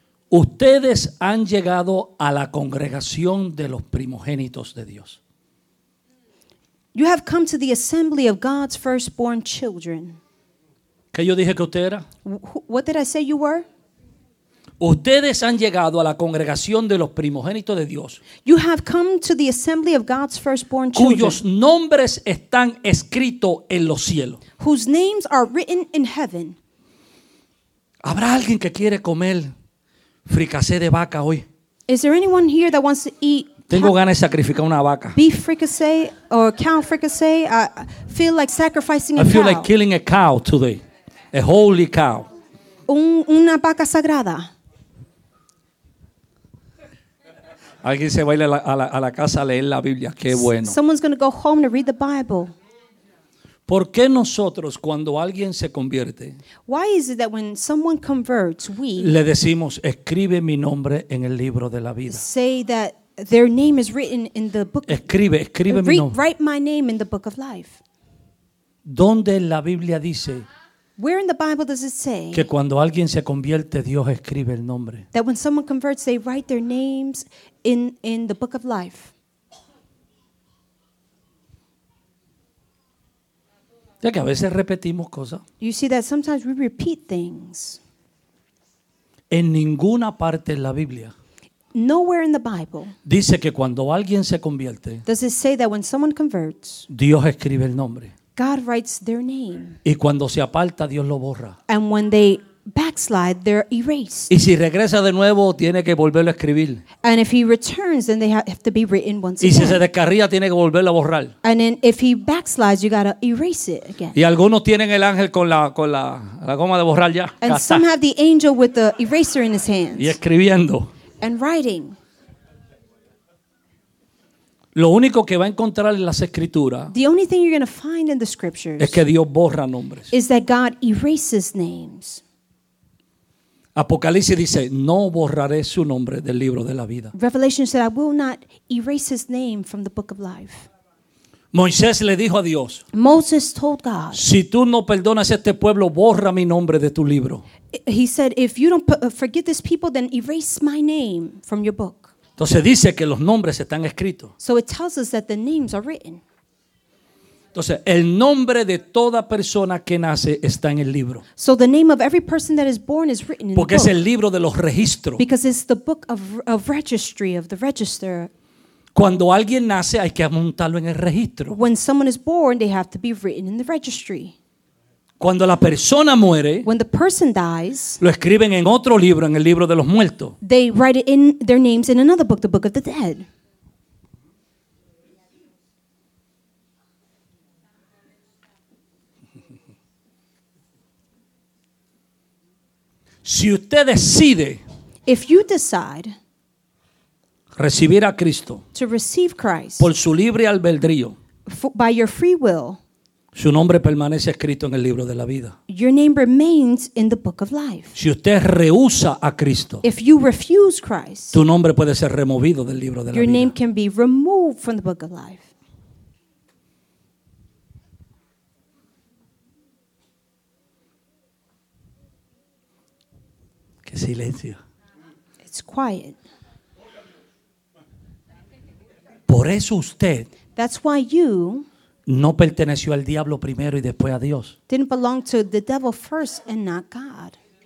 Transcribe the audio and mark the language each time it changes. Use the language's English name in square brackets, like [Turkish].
[Spanish] Ustedes han llegado a la congregación de los primogénitos de Dios. [English] You have come to the assembly of God's firstborn children. [Spanish] ¿Qué yo dije que usted era? [English] What did I say you were? [Spanish] Ustedes han llegado a la congregación de los primogénitos de Dios. [English] You have come to the assembly of God's firstborn children. [Spanish] Cuyos nombres están escritos en los cielos. [English] Whose names are written in heaven. [Spanish] ¿Habrá alguien que quiere comer fricasé de vaca hoy? [English] Is there anyone here that wants to eat? [Spanish] Tengo ganas de sacrificar una vaca. [English] Beef fricassee or cow fricassee. I feel like sacrificing a cow. I feel like killing a cow today. A holy cow. [Spanish] Una vaca sagrada. Alguien se va a ir a la casa a leer la Biblia. Qué bueno. [English] Someone's going to go home to read the Bible. [Spanish] ¿Por qué nosotros cuando alguien se convierte? [English] Why is it that when someone converts, we [Spanish] le decimos, escribe mi nombre en el libro de la vida. [English] Say that their name is written in the book. [Spanish] Escribe mi nombre. [English] Write my name in the book of life. [Spanish] ¿Dónde en la Biblia dice? [English] Where in the Bible does it say [Spanish] que cuando alguien se convierte Dios escribe el nombre? [English] That when someone converts they write their names in the book of life. [Spanish] Ya que a veces repetimos cosas. [English] You see that sometimes we repeat things. [Spanish] En ninguna parte en la Biblia. [English] Nowhere in the Bible. [Spanish] Dice que cuando alguien se convierte. [English] Does it say that when someone converts? [Spanish] Dios escribe el nombre. [English] God writes their name. [Spanish] Y cuando se aparta, Dios lo borra. [English] And when they backslide, they're erased. [Spanish] Y si regresa de nuevo, tiene que volverlo a escribir. [English] And if he returns, then they have to be written once [Spanish] y [English] again. [Spanish] Y si se descarría, tiene que volverlo a borrar. [English] And then if he backslides, you gotta erase it again. [Spanish] Y algunos tienen el ángel con la goma de borrar ya. [English] And some have the angel with the eraser in his hands. [Spanish] Y escribiendo. [English] And writing. [Spanish] Lo único que va a encontrar en las escrituras. [English] The only thing you're gonna find in the scriptures. [Spanish] Es que Dios borra nombres. [English] Is that God erases names. [Spanish] Apocalipsis dice, no borraré su nombre del libro de la vida. [English] Revelation said, I will not erase his name from the book of life. [Spanish] Moisés le dijo a Dios. [English] Moses told God. [Spanish] Si tú no perdonas a este pueblo, borra mi nombre de tu libro. [English] He said, if you don't forgive this people, then erase my name from your book. [Spanish] Entonces dice que los nombres están escritos. [English] So it tells us that the names are written. [Spanish] Entonces, el nombre de toda persona que nace está en el libro. [English] So the name of every person that is born is written in [Spanish] porque Porque es el libro de los registros. [English] Because it's the book of registry, of the register. [Spanish] Cuando alguien nace, hay que apuntarlo en el registro. [English] When someone is born, they have to be written in the registry. [Spanish] Cuando la persona muere, [English] when the person dies, [Spanish] lo escriben en otro libro, en el libro de los muertos. [English] They write it in their names in another book, the book of the dead. [Spanish] Si usted decide, [English] if you decide [Spanish] recibir a Cristo, [English] to receive Christ [Spanish] por su libre albedrío, [English] by your free will, [Spanish] su nombre permanece escrito en el libro de la vida. [English] Your name remains in the book of life. [Spanish] Si usted rehúsa a Cristo, [English] if you refuse Christ, [Spanish] tu nombre puede ser removido del libro de la vida. [English] Your name can be removed from the book of life. [Spanish] Qué silencio. [English] It's quiet. [Spanish] Por eso usted. [English] That's why you. [Spanish] No perteneció al diablo primero y después a Dios. [English] Didn't belong to the devil first and not God.